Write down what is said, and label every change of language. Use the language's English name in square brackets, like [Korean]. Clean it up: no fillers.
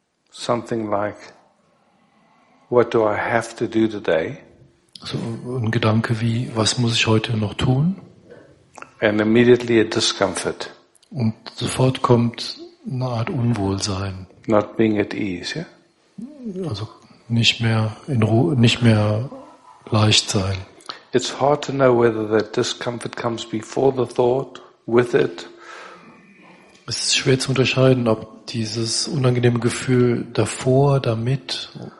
[English] Something like, what do I have to do today? [German] So ein Gedanke wie, was muss ich heute noch tun? [English] And immediately a discomfort. [German] Und sofort kommt eine Art Unwohlsein. [English] Not being at ease, yeah? [German] Also nicht mehr in Ruhe, nicht mehr leicht sein. [English] It's hard to know whether that discomfort comes before the thought, with it, [German] Es ist schwer zu unterscheiden, ob dieses unangenehme Gefühl davor, damit,